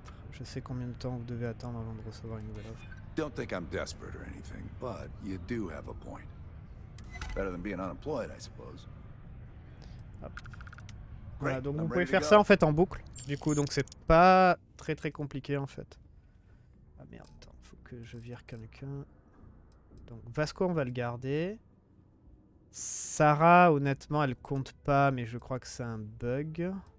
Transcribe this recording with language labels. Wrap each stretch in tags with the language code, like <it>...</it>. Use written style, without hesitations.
<fr>Je sais combien de temps vous devez attendre avant de recevoir une nouvelle offre.</fr> <en>Don't think I'm desperate or anything, but you do have a point. Better than being unemployed, I suppose.</en> <fr>Hop. Voilà, donc vous pouvez faire ça en fait en boucle, du coup, donc c'est pas très très compliqué en fait. Ah merde, attends, faut que je vire quelqu'un. Donc Vasco, on va le garder. Sarah, honnêtement, elle compte pas, mais je crois que c'est un bug.</fr>